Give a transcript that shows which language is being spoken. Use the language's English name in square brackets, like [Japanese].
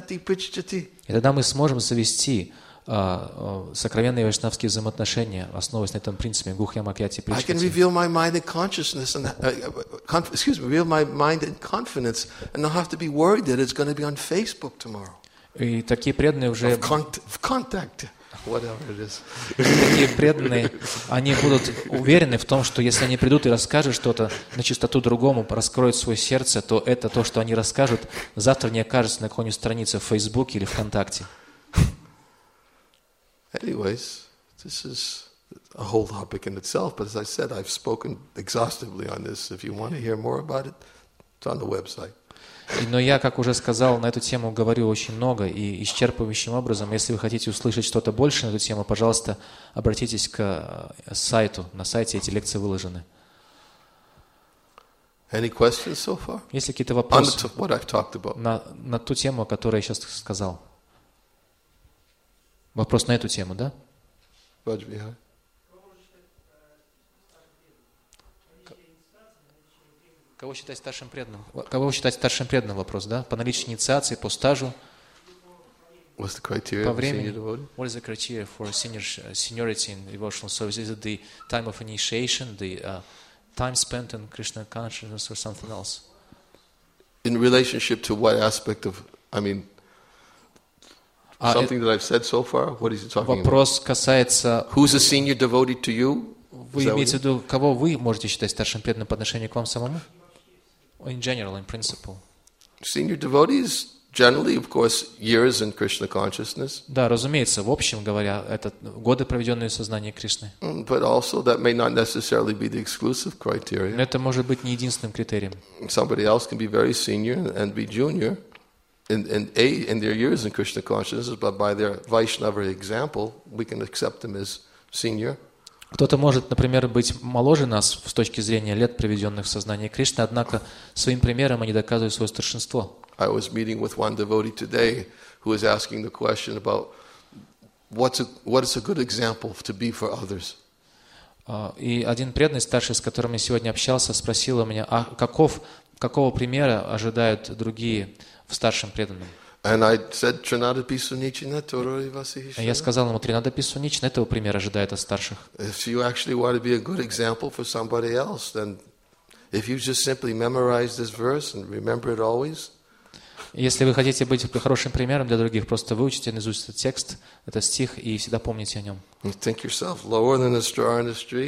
[Russian] И тогда мы сможем завести сокровенные вайшнавские взаимоотношения, основываясь на этом принципе гухьямакьяти причхати. [English] I can reveal my mind and consciousness and reveal my mind and confidence and not have to be worried that it's going to be on Facebook tomorrow. [Russian] И такие преданные уже в контакте. [English] Whatever it is. [Russian] Такие преданные, они будут уверены в том, что если они придут и расскажут что-то на чистоту другому, раскроют свое сердце, то это то, что они расскажут, завтра не окажется на какой-нибудь странице в Фейсбуке или ВКонтакте. [English] Anyways, this is a whole topic in itself, but as I said, I've spoken exhaustively on this. If you want to hear more about it, It's on the website. [Russian] Но я, как уже сказал, на эту тему говорю очень много и исчерпывающим образом. Если вы хотите услышать что-то больше на эту тему, пожалуйста, обратитесь к сайту. На сайте эти лекции выложены. [English] Any questions so far? [Russian] Есть ли какие-то вопросы [English] what I've talked about? [Russian] На ту тему, о которой я сейчас сказал? Вопрос на эту тему, да? Кого считать старшим преданным? Кого считать старшим преданным? Вопрос, да? По наличию инициации, по стажу, [English] what's the criteria [Russian] по времени. [English] What is the criteria for seniority in devotional service? Is it the time of initiation, the time spent in Krishna consciousness, or something else? In relationship to what aspect of, I mean, something that I've said so far? What is he talking [Russian] вопрос [English] about? [Russian] Касается. [English] Who's a senior devotee to you? [Russian] Вы имеете в виду, кого вы можете считать старшим преданным по отношению к вам самому? [English] In general, in principle. Senior devotees, generally, of course, years in Krishna consciousness. [Russian] Да, разумеется, в общем говоря, это годы, проведенные в сознании Кришны. [English] But also, that may not necessarily be the exclusive criteria. [Russian] Это может быть не единственным критерием. [English] Somebody else can be very senior and be junior in their years in Krishna consciousness, but by their Vaishnava example, we can accept them as senior. [Russian] Кто-то может, например, быть моложе нас с точки зрения лет, проведенных в сознании Кришны, однако своим примером они доказывают свое старшинство. [English] I was meeting with one devotee today who was asking the question about what is a good example to be for others. [Russian] И один преданный старший, с которым я сегодня общался, спросил у меня, а какого примера ожидают другие в старшем преданном? [English] And I said, Trinada Pisunichina, Torori Vasihishana. [Russian] Я сказал ему, Trinada Pisunichina, этого примера ожидает от старших. [English] If you actually want to be a good example for somebody else, then if you just simply memorize this verse and remember it always. Если вы хотите быть хорошим примером для других, просто выучите наизусть этот текст, этот стих, и всегда помните о нем. Think yourself lower than a straw in the street.